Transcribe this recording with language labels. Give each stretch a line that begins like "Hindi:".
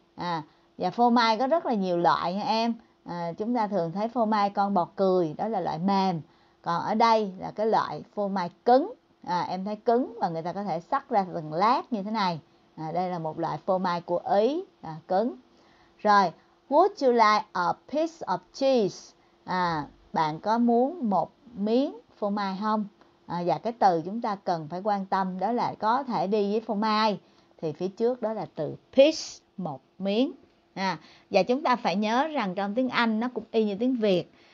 Vietnamese: À, và phô mai có rất là nhiều loại nha em. À, chúng ta thường thấy phô mai con bò cười, đó là loại mềm. Còn ở đây là cái loại phô mai cứng. À, em thấy cứng và người ta có thể sắc ra từng lát như thế này. À, đây là một loại phô mai của Ý, à, cứng.
English: Rồi, would you like a piece of cheese?
Vietnamese: À, bạn có muốn một miếng phô mai không? À, và cái từ chúng ta cần phải quan tâm đó là có thể đi với phô mai. Thì phía trước đó là từ piece, một miếng. À, và chúng ta phải nhớ rằng trong tiếng Anh nó cũng y như tiếng Việt.